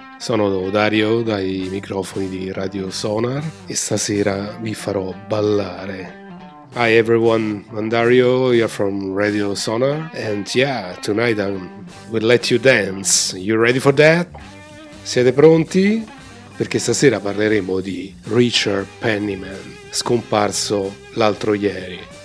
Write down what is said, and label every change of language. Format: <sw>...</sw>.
<it>Sono Dario dai microfoni di Radio Sonar e stasera vi farò ballare.</it> <en>Hi everyone, I'm Dario, you're from Radio Sonar. And yeah, tonight I will let you dance. You ready for that?</en> <it>Siete pronti? Perché stasera parleremo di Richard Pennyman, scomparso l'altro ieri.</it>